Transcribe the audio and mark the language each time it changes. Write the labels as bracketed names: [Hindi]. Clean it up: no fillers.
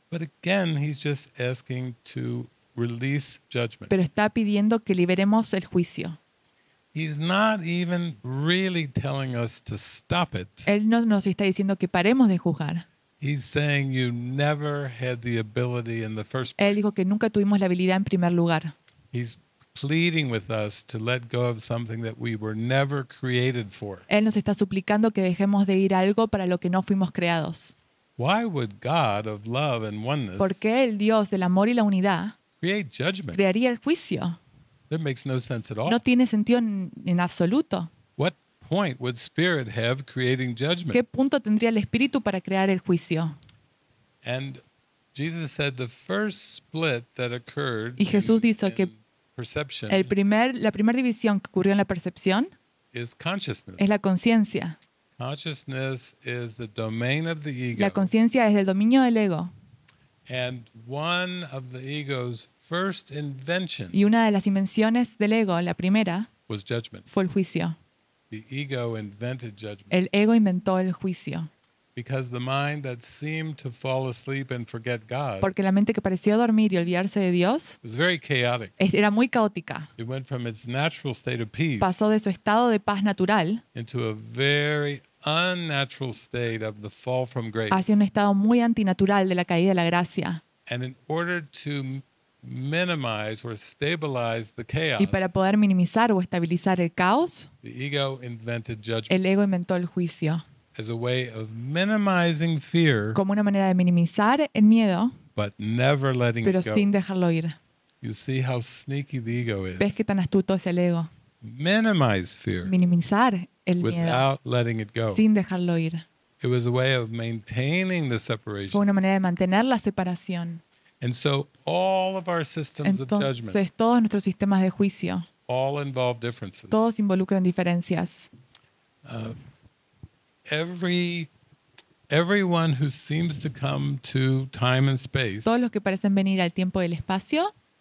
[English] But again, he's just asking to release judgment. [Spanish] Pero está pidiendo que liberemos el juicio. [English] He's not even really telling us to stop it. [Spanish] Él no nos está diciendo que paremos de juzgar. [English] He's saying you never had the ability in the first place. [Spanish] Él dijo que nunca tuvimos la habilidad en primer lugar. [English] He's pleading with us to let go of something that we were never created for. [Spanish] Él nos está suplicando que dejemos de ir algo para lo que no fuimos creados. [English] Why would God of love and oneness? [Spanish] ¿Por qué el Dios del amor y la unidad? [English] Create judgment. [Spanish] Crearía el juicio. [English] That makes no sense at all. [Spanish] No tiene sentido en absoluto. [English] What point would spirit have creating judgment? [Spanish] ¿Qué punto tendría el espíritu para crear el juicio? [English] And Jesus said the first split that occurred. [Spanish] Y Jesús dijo que la primera división que ocurrió en la percepción [English] is consciousness. [Spanish] Es la conciencia. [English] Consciousness is the domain of the ego. [Spanish] La conciencia es el dominio del ego. [English] And one of the ego's first inventions. [Spanish] Y una de las invenciones del ego, la primera, [English] was judgment. [Spanish] Fue el juicio. [English] The ego invented judgment. [Spanish] El ego inventó el juicio. [English] Because the mind that seemed to fall asleep and forget God. [Spanish] Porque la mente que pareció dormir y olvidarse de Dios. [English] Was very chaotic. [Spanish] Era muy caótica. [English] It went from its natural state of peace. [Spanish] Pasó de su estado de paz natural. [English] Into a very unnatural state of the fall from grace. [Spanish] Hacia un estado muy antinatural de la caída de la gracia. [English] And in order to minimize or stabilize the chaos. [Spanish] Y para poder minimizar o estabilizar el caos. [English] The ego invented judgment. [Spanish] El ego inventó el juicio. [English] As a way of minimizing fear. [Spanish] Como una manera de minimizar el miedo. [English] But never letting it go. [Spanish] Pero sin dejarlo ir. [English] You see how sneaky the ego is. [Spanish] ¿Ves qué tan astuto es el ego? [English] Minimize fear. [Spanish] Minimizar el [English] without [Spanish] miedo, [English] letting it go. [Spanish] Sin dejarlo ir. [English] It was a way of maintaining the separation. [Spanish] Fue una manera de mantener la separación. [English] And so all of our systems [Spanish] entonces, [English] of judgment. [Spanish] Entonces todos nuestros sistemas de juicio. [English] All involve differences. [Spanish] Todos involucran diferencias. [English] Everyone who seems to come to time and space. [Spanish] Todos los que parecen venir al tiempo y el espacio.